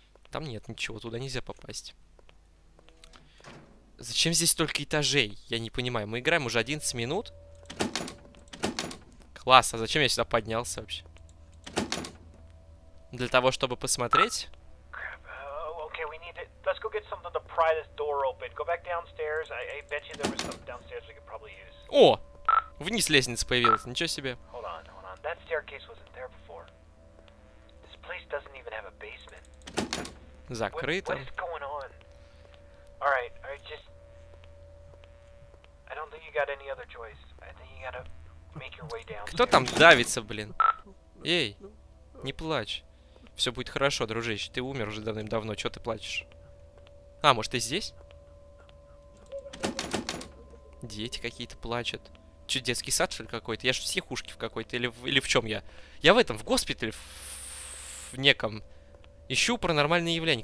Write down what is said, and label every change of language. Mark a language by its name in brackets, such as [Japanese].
[Russian] Там нет ничего, туда нельзя попасть. Зачем здесь столько этажей? Я не понимаю. Мы играем уже 11 минут. Класс, а зачем я сюда поднялся вообще? Для того, чтобы посмотреть. [English] Okay, we need to... Let's go get something to pry this door open. Go back downstairs. I bet you there was something downstairs we could probably use. [Russian] О! Вниз лестница появилась. Ничего себе. [English] Hold on, hold on. That staircase wasn't there before. This place doesn't even have a basement. [Russian] Закрыто. [English] What is going on? Alright, I just... I don't think you got any other choice. I think you gotta make your way downstairs. [Russian] Кто там давится, блин? Эй, не плачь. Все будет хорошо, дружище. Ты умер уже давным-давно. Чего ты плачешь? А, может, ты здесь? Дети какие-то плачут. Че, детский сад, что ли, какой-то? Я ж в психушке в какой-то. Или в чем я? Я в этом, в госпитале, в неком. Ищу паранормальные явления.